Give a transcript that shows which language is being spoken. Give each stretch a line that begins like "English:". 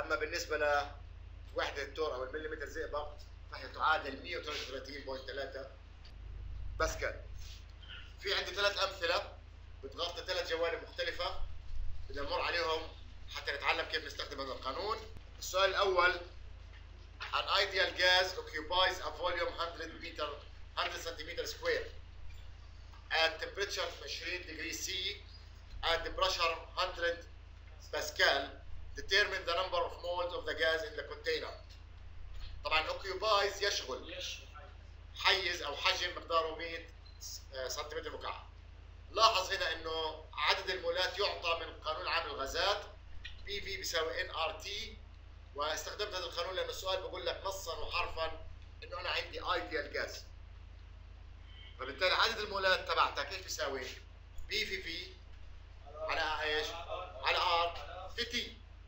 Arabic: اما بالنسبه لوحده التور او المليمتر زئبق فهي تعادل 133.3 باسكال. في عندي ثلاث امثله بتغطي ثلاث جوانب مختلفه، بدنا نمر عليهم حتى نتعلم كيف نستخدم هذا القانون. السؤال الاول:
English: An ideal gas occupies a volume 100 cm² at temperature 20 degrees C at the pressure 100 pascal. Determine the number of moles of the gas in the container.
Arabic: طبعا occupies يشغل، حيز او حجم مقداره 100 cm³. لاحظ هنا انه عدد المولات يعطى من قانون عام الغازات بي في بيساوي ان ار تي، واستخدمت هذا القانون لأن السؤال بقول لك نصا وحرفا انه انا عندي ايديال جاز، فبالتالي عدد المولات تبعتك ايش بيساوي؟ بي في في على ايش؟ على ار في تي.